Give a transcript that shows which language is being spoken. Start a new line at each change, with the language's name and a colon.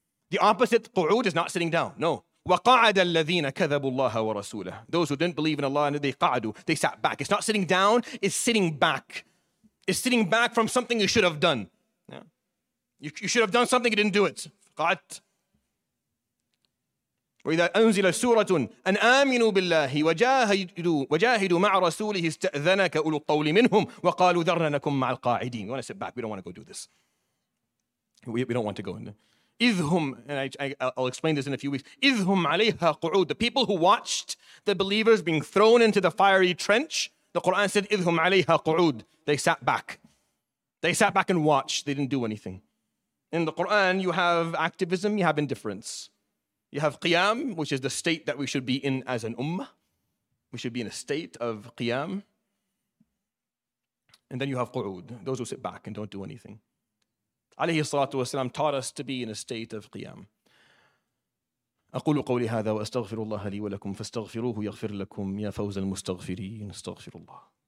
English: The opposite, qu'ud, is not sitting down. No.
Arabic: وَقَعَدَ الَّذِينَ كَذَبُوا اللَّهَ وَرَسُولَهُ.
English: Those who didn't believe in Allah, and they qa'adu, they sat back. It's not sitting down, it's sitting back. It's sitting back from something you should have done. You should have done something, you didn't do it.
Arabic: وإذا أنزل سورة أن آمنوا بالله وجاهدوا مع رسوله استأذنك أولو الطول منهم وقالوا ذرنا نكن مع القاعدين.
English: We don't want to go do this. We don't want to go in there.
Arabic: إذ هم,
English: and I'll explain this in a few weeks.
Arabic: إذ هم عليها قعود.
English: The people who watched the believers being thrown into the fiery trench, the Quran said,
Arabic: إذ هم عليها قعود.
English: They sat back. They sat back and watched. They didn't do anything. In the Quran, you have activism, you have indifference. You have qiyam, which is the state that we should be in as an ummah. We should be in a state of qiyam. And then you have qu'ud, those who sit back and don't do anything. Alayhi salatu wasalam taught us to be in a state of qiyam.
Arabic: أقول قولي هذا وأستغفر الله لي ولكم فاستغفروه يغفر لكم يا فوز المستغفرين استغفر الله.